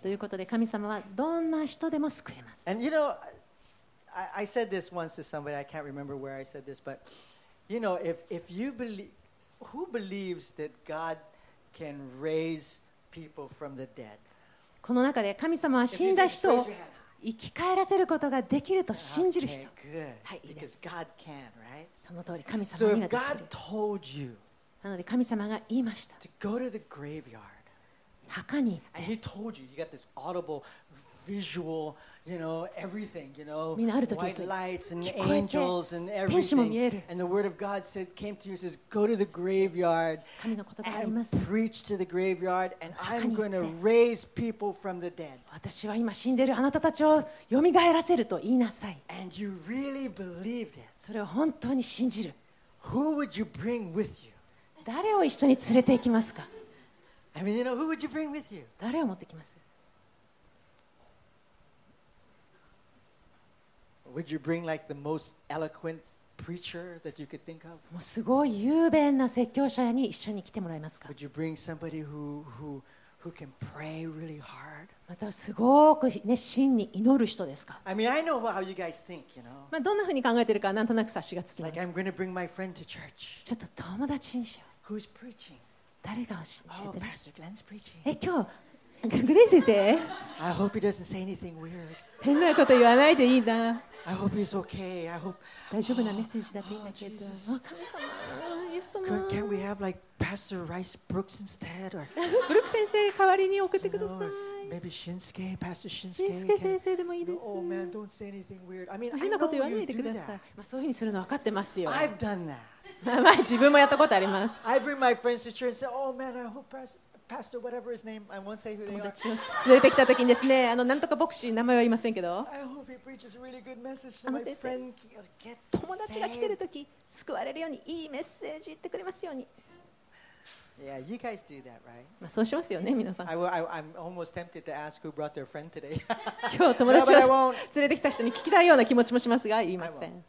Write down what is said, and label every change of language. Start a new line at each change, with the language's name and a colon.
Japanese: ということで神様はどんな人でも救えます。
English: And you know, I said this once to somebody, I can't remember where I said this, but you know, if you believe, who believes that God can raise people from the dead?
Japanese: この中で神様は死んだ人を生き返らせることができると信じる人、
English: okay,
Japanese: はい、いいです。
English: God can, right?
Japanese: その通り神様にはできる。なので神様が言いました。
English: To go to the graveyard.
Japanese: 墓に行って。
English: And he told you, you got this audible, visual, you know, everything, you know,
Japanese: みんなある時
English: white lights and angels and everything.
Japanese: 天使も見える。
English: And the word of God said, came to you, says, go to the graveyard.
Japanese: 神の言葉があります。
English: And preach to the graveyard, and I'm going to raise people from the dead.
Japanese: 私は今死んでいるあなたたちをよみがえらせると言いなさい。
English: And you really believed it.
Japanese: それを本当に信じる。
English: Who would you bring with you?
Japanese: 誰を一緒に連れて行きますか?
English: I mean, you know, who would you bring with you?
Japanese: 誰を持ってきます?
English: Would you bring like the most eloquent preacher that you could think of?
Japanese: もうすごい雄弁な説教者に一緒に来てもらえますか?
English: Would you bring somebody who can pray really hard?
Japanese: またすごく熱心に祈る人ですか?
English: I mean, I know how you guys think, you know.
Japanese: まあどんな風に考えてるかなんとなく察しがつきます。
English: Like I'm going to bring my friend to church.
Japanese: ちょっと友達にしよう。
English: Who's preaching?
Japanese: 誰が教えてる?
English: Oh, Pastor Glenn's preaching.
Japanese: え、今日、グレン先生?
English: I hope he doesn't say anything weird.
Japanese: 変なこと言わないでいいな。
English: I hope he's okay. I hope.
Japanese: 大丈夫なメッセージだといいんだけど。
English: Oh, oh, Jesus. Oh,
Japanese: 神様、イエス様。
English: Can we have like Pastor Rice Brooks instead? Or
Japanese: Brooks 先生代わりに送ってください。
English: You know, maybe Shinsuke, Pastor Shinsuke.
Japanese: Shinsuke 先生でもいいです。
English: Oh man, don't say anything weird. I mean,
Japanese: 変なこと言わないでください。まあそういうふうにするの分かってますよ。
English: I've done that.
Japanese: 前自分もやったことあります。
English: I bring my friends to church and say, Oh man, I hope Pastor whatever his name, I won't say who they are.
Japanese: 連れてきた時にですね、なんとか牧師名前は言いませんけど。
English: I hope he preaches a really good message to my friend. Get saved.
Japanese: 友達が来てる時、救われるようにいいメッセージ言ってくれますように。
English: Yeah, you guys do that, right?
Japanese: まあそうしますよね、皆さん。
English: I'm almost tempted to ask who brought their friend today.
Japanese: 今日友達を連れてきた人に聞きたいような気持ちもしますが、言いません。